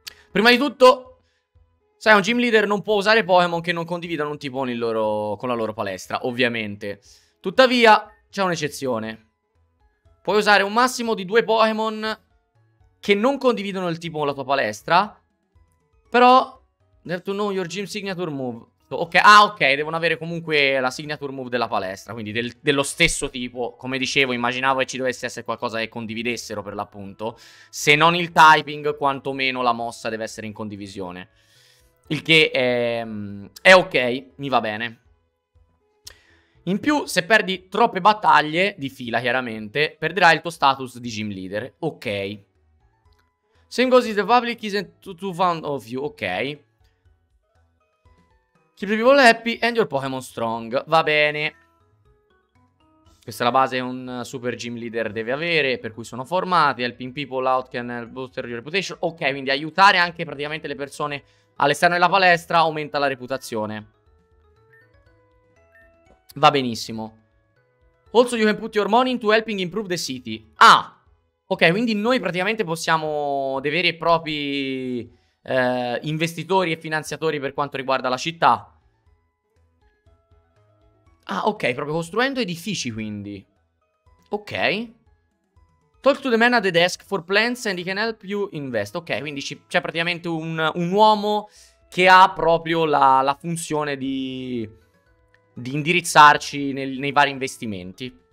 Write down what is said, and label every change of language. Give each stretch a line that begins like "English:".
Italian: Prima di tutto, sai, un gym leader non può usare Pokémon che non condividano un tipo con la loro palestra, ovviamente. Tuttavia, c'è un'eccezione. Puoi usare un massimo di 2 Pokémon che non condividono il tipo con la tua palestra.
English: Però, you have to know your gym signature move.
Italian: Ok, ok, devono avere comunque la signature move della palestra. Quindi dello stesso tipo. Come dicevo, immaginavo che ci dovesse essere qualcosa che condividessero per l'appunto. Se non il typing, quantomeno la mossa deve essere in condivisione. Il che è ok, mi va bene. In più, se perdi troppe battaglie di fila, chiaramente, perderai il tuo status di gym leader. Ok.
English: Same goes if the public isn't too fond of you. Ok. Keep your people happy and your Pokémon strong.
Italian: Va bene. Questa è la base che un super gym leader deve avere, per cui sono formati.
English: Helping people out can boost your reputation.
Italian: Ok, quindi aiutare anche praticamente le persone all'esterno della palestra aumenta la reputazione. Va benissimo.
English: Also you can put your money into helping improve the city.
Italian: Ah, ok, quindi noi praticamente possiamo dei veri e propri investitori e finanziatori per quanto riguarda la città. Ah, ok, proprio costruendo edifici quindi. Ok.
English: Talk to the man at the desk for plans and he can help you invest.
Italian: Ok, quindi c'è praticamente un uomo che ha proprio la funzione di indirizzarci nei vari investimenti.